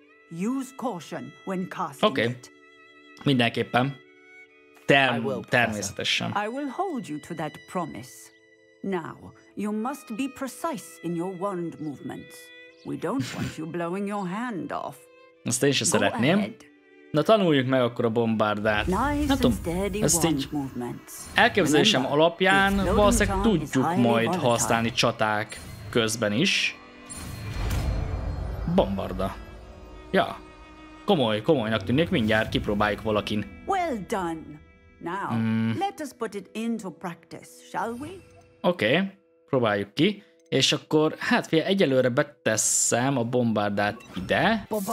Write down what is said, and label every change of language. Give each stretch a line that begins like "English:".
English: Use caution when casting it.
Hungarian: Oké. Mindenképpen. Természetesen.
English: I will hold you to that promise. Now, you must be precise in your wand movements. We don't want you blowing your hand off.
Hungarian: Azt én sem szeretném. Na, tanuljuk meg akkor a bombárdát. Nem tudom, ezt így elképzelésem alapján valószínűleg tudjuk majd használni csaták közben is. Bombarda. Ja. Komolynak tűnik, mindjárt kipróbáljuk valakin.
English: Well done. Now, let us put it into practice, shall we?
Hungarian: Oké, próbáljuk ki. És akkor, hát fia, egyelőre beteszem a bombárdát ide.